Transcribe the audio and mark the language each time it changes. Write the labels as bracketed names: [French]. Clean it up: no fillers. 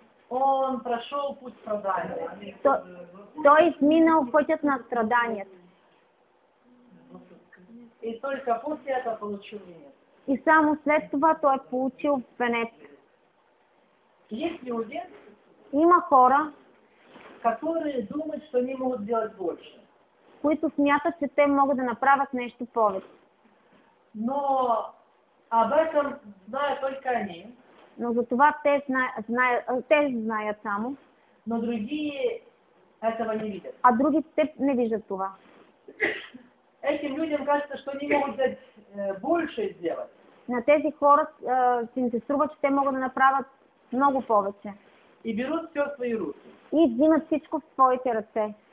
[Russian] Он прошел путь страдания. [Bulgarian] Той изминал пътят на страданието. [Russian] И только после этого получил венец. [Bulgarian] И само след това той получил венец. [Russian] Есть люди. [Bulgarian] Има хора, [Russian] которые думают, что они могут сделать больше. [Bulgarian] Които смятат, че те могат да направят нещо повече. [Russian] Но об этом знаят только они. [Bulgarian] Но за това те знаят само. [Russian] Но [Bulgarian] други [Russian] этого не видят. [Bulgarian] А други те не виждат това. [Russian] Этим людям кажется, что они могут больше сделать. [Bulgarian] На тези хора им се струва, че те могат да направят много повече. [Russian] И берут все в свои руки. [Bulgarian] И взимат всичко в своите ръце.